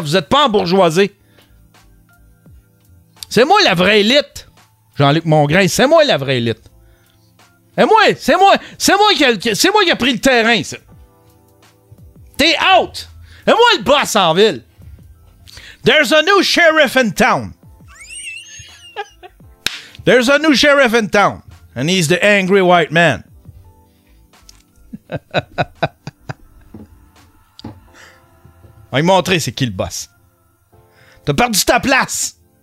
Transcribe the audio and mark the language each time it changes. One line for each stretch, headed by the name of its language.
French: Vous êtes pas en bourgeoisie. C'est moi la vraie élite, Jean-Luc Mongrain. C'est moi la vraie élite. C'est moi qui a pris le terrain. Ça. T'es out. C'est moi le boss en ville.
English: There's a new sheriff in town. There's a new sheriff in town, and he's the angry white man.
French: On va lui montrer c'est qui le boss. T'as perdu ta place.